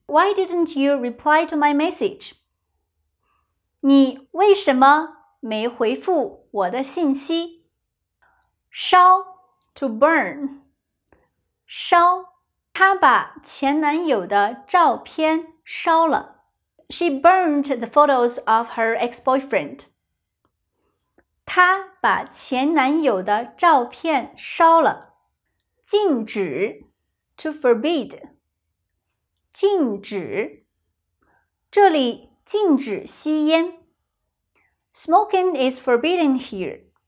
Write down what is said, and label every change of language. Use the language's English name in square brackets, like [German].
[English] Why didn't you reply to my message? [Chinese] 你为什么没回复我的信息。烧 [English] to burn. [Chinese] 烧她把前男友的照片烧了。 [English] She burned the photos of her ex-boyfriend. [Chinese] 她把前男友的照片烧了。禁止 [English] to forbid. [Chinese] 禁止这里禁止吸烟。 [English] Smoking is forbidden here.